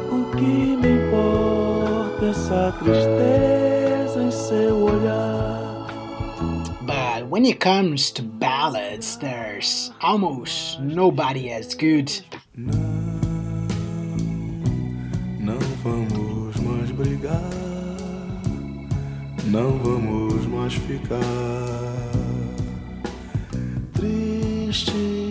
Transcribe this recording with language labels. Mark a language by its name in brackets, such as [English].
[Portuguese] O que me importa essa tristeza em seu olhar? [English] But when it comes to ballads, there's almost nobody as good. [Portuguese] Não vamos mais brigar, não vamos mais ficar tristes.